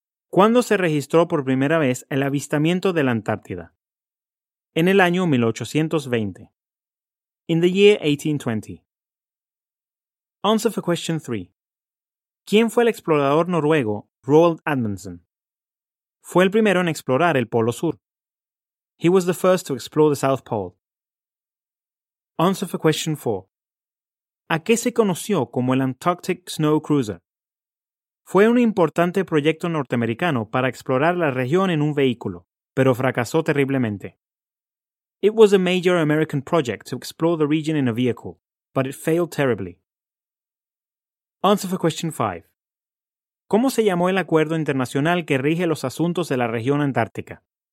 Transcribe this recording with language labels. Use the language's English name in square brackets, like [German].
[Spanish] ¿Cuándo se registró por primera vez el avistamiento de la Antártida? En el año 1820. [English] In the year 1820. Answer for question 3. [Spanish] ¿Quién fue el explorador noruego Roald Amundsen? Fue el primero en explorar el Polo Sur. [English] He was the first to explore the South Pole. Answer for question 4. [Spanish] ¿A qué se conoció como el Antarctic Snow Cruiser? Fue un importante proyecto norteamericano para explorar la región en un vehículo, pero fracasó terriblemente. [English] It was a major American project to explore the region in a vehicle, but it failed terribly. Answer for question 5. [Spanish] ¿Cómo se llamó el acuerdo internacional que rige los asuntos de la región antártica?